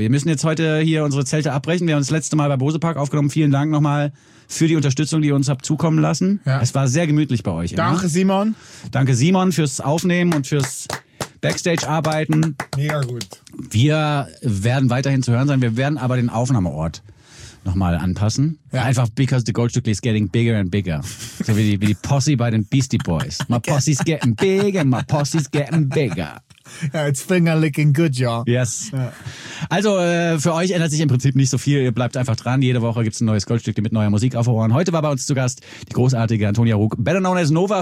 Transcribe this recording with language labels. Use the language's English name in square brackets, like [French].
[German] Wir müssen jetzt heute hier unsere Zelte abbrechen. Wir haben das letzte Mal bei Bose Park aufgenommen. Vielen Dank nochmal für die Unterstützung, die ihr uns habt zukommen lassen. Ja. Es war sehr gemütlich bei euch. Danke, immer. Simon. Danke, Simon, fürs Aufnehmen und fürs Backstage-Arbeiten. Mega gut. Wir werden weiterhin zu hören sein. Wir werden aber den Aufnahmeort nochmal anpassen. Ja. Einfach [English] because the Goldstückli is getting bigger and bigger. [German] So wie die Posse bei den Beastie Boys. [English] My posse's getting bigger, my posse's getting bigger. Yeah, it's finger licking good, y'all. Yes. [German] Also für euch ändert sich im Prinzip nicht so viel. Ihr bleibt einfach dran. Jede Woche gibt es ein neues Goldstück mit neuer Musik auf Ohren. Heute war bei uns zu Gast die großartige Antonia Ruck, [English] better known as [German] Nova.